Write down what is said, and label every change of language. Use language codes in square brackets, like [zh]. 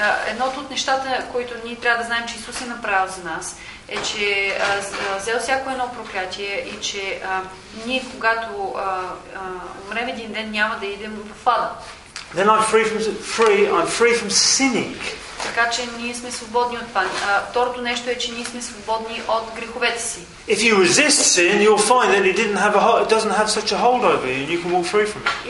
[bg] Едното от нещата, които ние трябва да знаем, че Исус е направил за нас, е, че взел всяко едно проклятие и че ние, когато умрем един ден, няма да идем в ада. [en] Then I'm free from sinning. [bg] Така че ние сме свободни от това. Второто нещо е, че ние сме свободни от греховете си. [en] If you resist sin, you'll find that it doesn't have such a hold over you, and you can walk free from it.